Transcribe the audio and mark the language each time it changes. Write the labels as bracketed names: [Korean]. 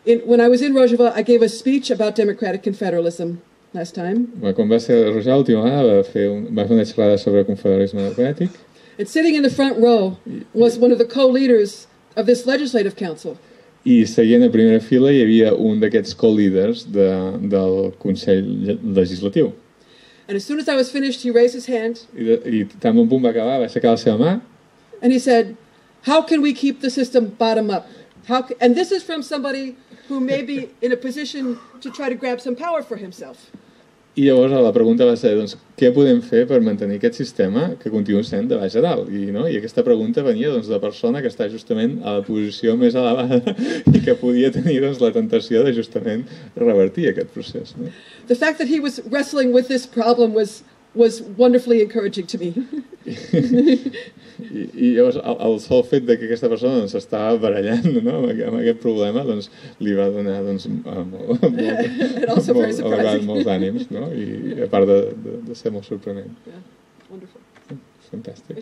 [English] When I was in Rojava, I gave a speech about democratic and federalism last time. [Catalan] Quan va ser a Rojava l'última vegada, va fer una xerrada sobre confederalisme democràtic. [English] And sitting in the front row was one of the co-leaders of this legislative council. [Catalan] I seient a primera fila hi havia un d'aquests co-leaders del Consell Legislatiu. [English] And as soon as I was finished, he raised his hand. [Catalan] I tan bon punt va acabar, va aixecar la seva mà. [English] And he said, "How can we keep the system bottom up? And this is from somebody who may be in a position to try to grab some power for himself." [Catalan] I llavors la pregunta va ser, doncs, què podem fer per mantenir aquest sistema que continua sent de baix a dalt? I aquesta pregunta venia doncs de persona que està justament a la posició més elevada i que podia tenir doncs la tentació de justament revertir aquest procés, no? [English] The fact that he was wrestling with this problem was wonderfully encouraging to me. [Catalan] I llavors el sol fet de que aquesta persona doncs s'estava barallant, no, amb aquest problema, doncs li va donar doncs molts ànims, no? I a part de ser molt sorprenent. [English] Yeah. Wonderful. [Catalan] Fantàstic.